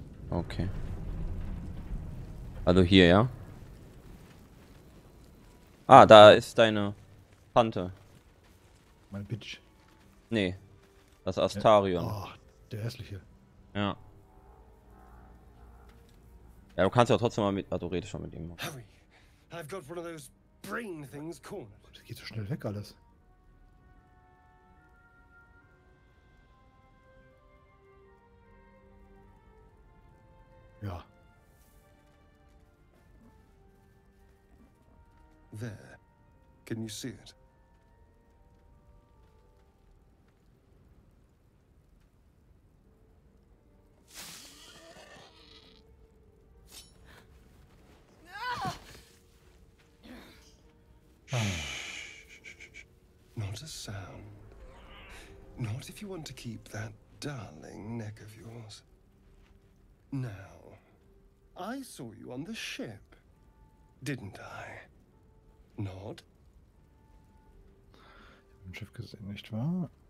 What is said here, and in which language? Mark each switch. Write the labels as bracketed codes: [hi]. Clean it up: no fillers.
[de] Okay. Also hier, ja? Ah, da ist deine Tante. Mein Bitch. Nee, das Astarion. Oh, der hässliche. Ja. Ja, du kannst ja trotzdem mal mit. Ah, du redest schon mit ihm. [en] Harry, I've got one of those brain things cornered. [de] Das geht so schnell weg alles. Ja. [en] There. Can you see it? Not a sound. Not if you want to keep that darling neck of yours. Now, I saw you on the ship, didn't I? Nod? [de] Ich hab ein Schiff gesehen, nicht wahr?